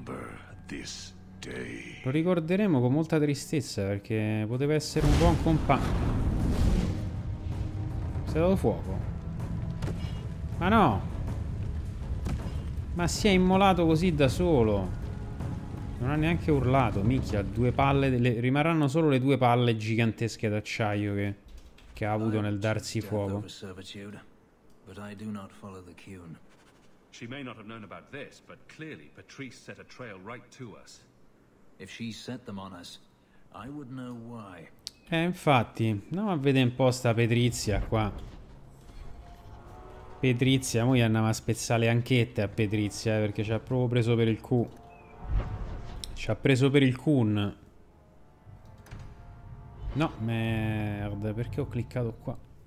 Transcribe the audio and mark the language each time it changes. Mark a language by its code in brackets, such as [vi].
[it] Lo ricorderemo con molta tristezza, perché poteva essere un buon compagno. Si è dato fuoco. Ma no. Ma si è immolato così da solo. Non ha neanche urlato. Minchia, due palle. Rimarranno solo le due palle gigantesche d'acciaio che che ha avuto nel darsi fuoco. [en] She may not have known about this, but clearly Patrice set a trail right to us. If she set them on us, I would know why. [it] Infatti, andiamo a vedere un po' sta Patrizia qua. Patrizia, mo' gli andiamo a spezzare le anchette a Patrizia, perché ci ha proprio preso per il cu. Ci ha preso per il cun. No, merda, perché ho cliccato qua?